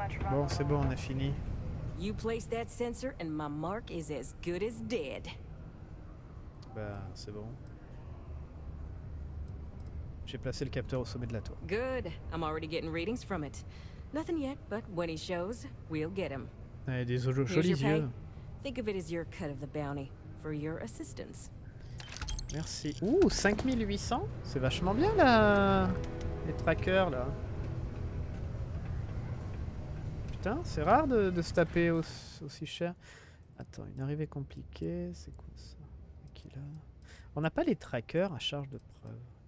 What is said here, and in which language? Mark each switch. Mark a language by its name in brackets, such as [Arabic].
[French] Bon, c'est bon, on a fini. C'est bon. J'ai placé le capteur au sommet de la tour. [English] Good. I'm already getting readings from it. Nothing yet, but when he shows, we'll get him. [French] Ah, des jolis yeux. [English] Think of it as your cut of the bounty for your assistance. [French] Merci. Ouh, 5800, c'est vachement bien là. Les trackers là. Putain, c'est rare de se taper aussi cher. Attends, une arrivée compliquée, c'est quoi ça? Qui là? On n'a pas les trackers à charge de preuve.